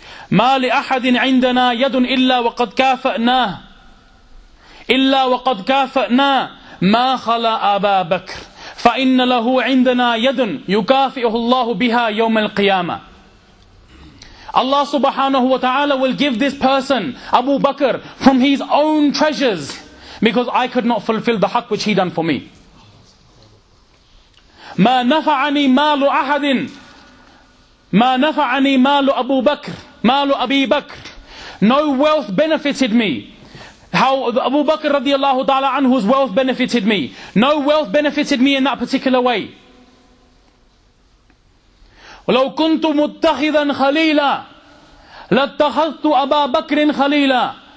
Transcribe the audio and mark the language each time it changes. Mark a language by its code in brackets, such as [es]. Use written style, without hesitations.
[ar] مَا لِأَحَدٍ عِنْدَنَا يَدٌ إِلَّا وَقَدْ كَافَأْنَاهُ إِلَّا وَقَدْ كَافَأْنَاهُ مَا خَلَى أَبَا بَكْرٍ فَإِنَّ لَهُ عِنْدَنَا يَدٌ يُكَافِئُهُ اللَّهُ بِهَا يَوْمَ الْقِيَامَةِ. [en] Allah subhanahu wa ta'ala will give this person, Abu Bakr, from his own treasures, because I could not fulfill the haqq which he done for me. [ar] مَا نَفَعَنِي مَالُ أَحَدٍ مَا نَفَعَنِي مَالُ أَبُو بَكْرٍ مَالُ أَبِي بَكْرٍ. [en] No wealth benefited me. How Abu Bakr radiallahu ta'ala anhu's wealth benefited me. No wealth benefited me in that particular way. [ar] وَلَوْ كُنْتُ مُتَّخِذًا خَلِيلًا لَاتَّخَذْتُ أَبَا بَكْرٍ خَلِيلًا.